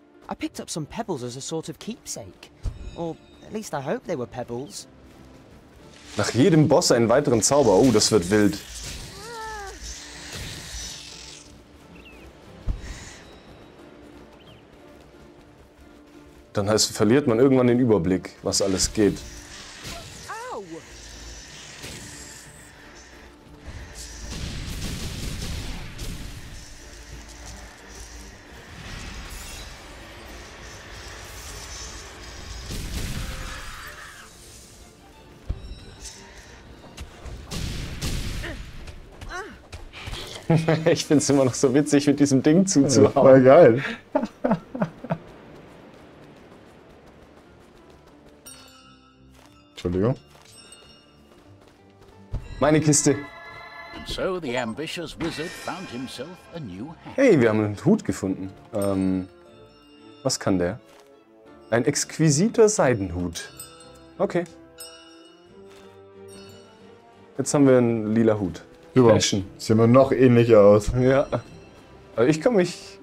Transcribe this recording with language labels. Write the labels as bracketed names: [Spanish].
[English] I picked up some pebbles as a sort of keepsake. Or at least I hope they were pebbles. [German] Nach jedem Boss einen weiteren Zauber. Oh, das wird wild. Dann heißt, verliert man irgendwann den Überblick, was alles geht. Ich find's immer noch so witzig, mit diesem Ding zuzuhauen. Voll geil. Entschuldigung. Meine Kiste. [English] So the ambitious wizard found himself a new hat. [German] Hey, wir haben einen Hut gefunden. Was kann der? Ein exquisiter Seidenhut. Okay. Jetzt haben wir einen lila Hut. [English] Fashion. [German] Sieht mir noch ähnlicher aus. Ja. Aber ich kann mich.